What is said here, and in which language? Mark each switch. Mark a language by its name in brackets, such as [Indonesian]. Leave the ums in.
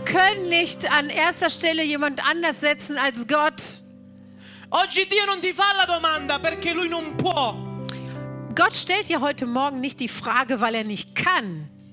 [German] können nicht an erster Stelle jemand anders setzen als Gott. [Italian] Oggi Dio non ti fa la domanda perché lui non può. [German] Gott stellt dir heute Morgen nicht die Frage, weil er nicht kann.